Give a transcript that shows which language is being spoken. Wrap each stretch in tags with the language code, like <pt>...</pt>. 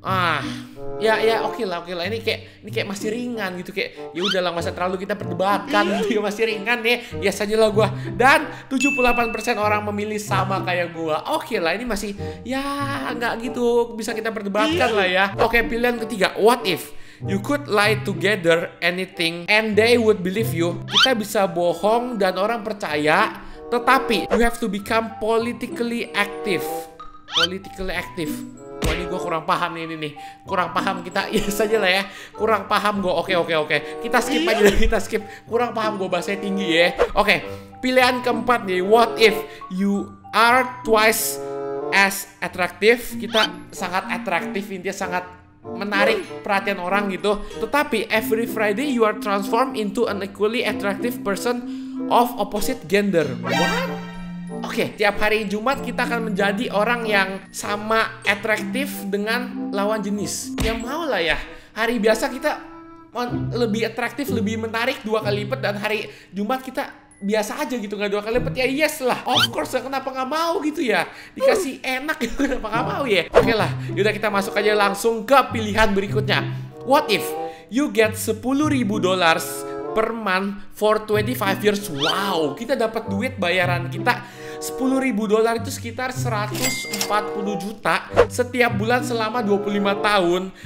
<id>Ah, ya oke lah. Ini kayak masih ringan gitu, kayak ya udah lah, masa terlalu kita perdebatkan gitu. Masih ringan ya. Ya saja lah gua. Dan 78% orang memilih sama kayak gua. Oke lah, ini masih ya nggak gitu, bisa kita perdebatkan lah ya. Oke, pilihan ketiga,</id> <en>what if you could lie together anything and they would believe you?</en> <id>Kita bisa bohong dan orang percaya, tetapi</id> <en>you have to become politically active.</en> <id>Politically active. Wah, ini gue kurang paham nih, ini. Kurang paham kita, ya yes aja lah ya. Kurang paham gue, oke. Kita skip aja lah, kita skip. Kurang paham gue, bahasanya tinggi ya. Oke, pilihan keempat nih.</id> <en>What if you are twice as attractive?</en> <id>Kita sangat atraktif, intinya sangat menarik perhatian orang gitu.</id> <en>Tetapi every Friday you are transformed into an equally attractive person of opposite gender. What?</en> <id>Oke, tiap hari Jumat kita akan menjadi orang yang sama atraktif dengan lawan jenis. Ya mau lah ya, hari biasa kita lebih atraktif, lebih menarik dua kali lipat, dan hari Jumat kita biasa aja gitu, nggak dua kali lipat. Ya yes lah,</id> <en>of course,</en> <id>kenapa nggak mau gitu ya? Dikasih enak, kenapa nggak mau ya? Oke lah, yaudah kita masuk aja langsung ke pilihan berikutnya.</id> <en>What if you get $10,000 per month for 25 years.</en> <id>Wow, kita dapat duit bayaran kita $10,000 itu sekitar 140 juta setiap bulan selama 25 tahun.</id>